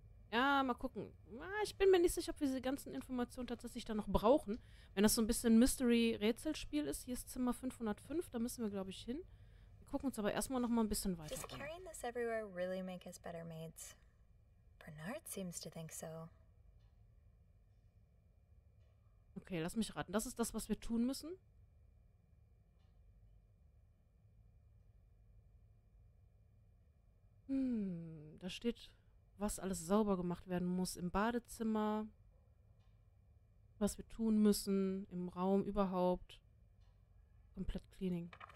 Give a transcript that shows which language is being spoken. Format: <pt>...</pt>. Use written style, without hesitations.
<de>Ja, mal gucken. Ich bin mir nicht sicher, ob wir diese ganzen Informationen tatsächlich da noch brauchen. Wenn das so ein bisschen Mystery-Rätselspiel ist, hier ist Zimmer 505, da müssen wir, glaube ich, hin. Wir gucken uns aber erstmal noch mal ein bisschen weiter an.</de> <en>Does carrying this everywhere really make us better mates? Bernard seems to think so.</en> <de>Okay, lass mich raten. Das ist das, was wir tun müssen. Da steht, was alles sauber gemacht werden muss im Badezimmer, was wir tun müssen im Raum überhaupt. Komplett Cleaning.</de>